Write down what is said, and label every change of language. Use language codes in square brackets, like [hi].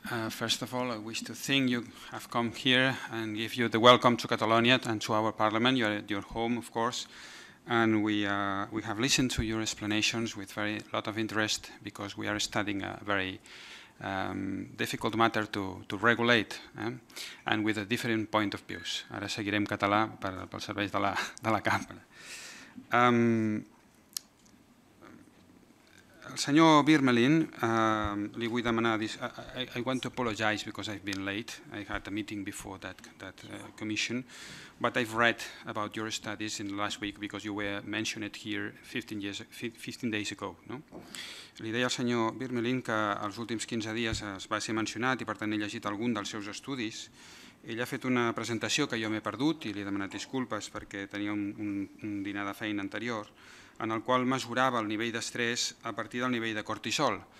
[en] First of all, I wish to thank you have come here and give you the welcome to Catalonia and to our parliament. You are at your home, of course, and we have listened to your explanations with very lot of interest because we are studying a very difficult matter to regulate and with a different point of views. [ca] Ara seguirem català pels serveis de la cambra. El senyor Birmelin, li vull demanar, [en] I want to apologize because I've been late. I had a meeting before that commission, but I've read about your studies in the last week because you were mentioned here 15 days ago. [ca] No? Li deia al senyor Birmelin que els últims 15 dies es va ser mencionat i per tant he llegit algun dels seus estudis. Ell ha fet una presentació que jo m'he perdut i li he demanat disculpes perquè tenia un dinar de feina anterior, en el qual mesurava el nivell d'estrès a partir del nivell de cortisol.